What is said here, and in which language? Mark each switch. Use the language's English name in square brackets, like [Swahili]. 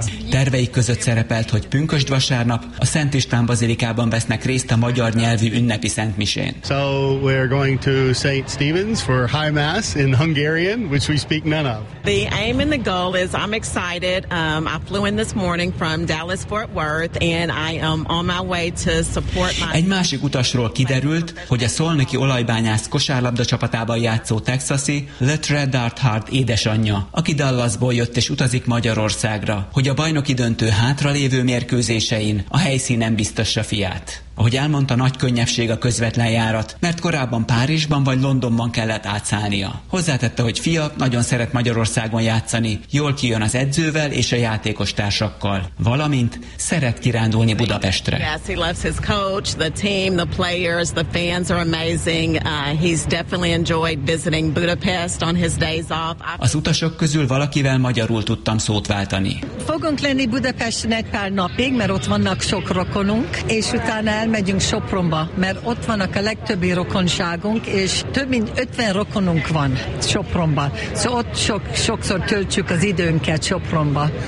[Hungarian] Terveik között szerepelt, hogy pünkösd vasárnap a Szent István Bazilikában vesznek részt a magyar nyelvű ünnepi szentmisén. [English] So we're going to St. Stephen's for high mass in Hungarian, which we speak none of. The aim and the goal is I'm excited. I flew in this morning from Dallas-Fort Worth and I am on my way to support my... [Hungarian] Egy másik utasról kiderült, hogy a szolnoki olajbányász kosárlabda csapatában játszó texasi Letre Darthart édesanyja, aki Dallasból jött és utazik Magyarországra, hogy a bajnoki döntő hátralévő mérkőzésein a helyszínen biztassa fiát. Ahogy elmondta, nagy könnyebbség a közvetlen járat, mert korábban Párizsban vagy Londonban kellett átszállnia. Hozzátette, hogy fia nagyon szeret Magyarországon játszani, jól kijön az edzővel és a játékos társakkal, valamint szeret kirándulni Budapestre. [English] Yes, he loves his coach, the team, the players, the fans are amazing. He's definitely enjoyed visiting Budapest on his days off. [Hungarian] Az utasok közül valakivel magyarul tudtam szót váltani. Fogunk lenni Budapesten egy pár napig, mert ott vannak sok rokonunk, és utána elmegyünk Sopronba, mert ott vannak a legtöbbi rokonságunk, és több mint 50 rokonunk van Sopronban. Szóval ott sokszor töltjük az időnket Sopronba.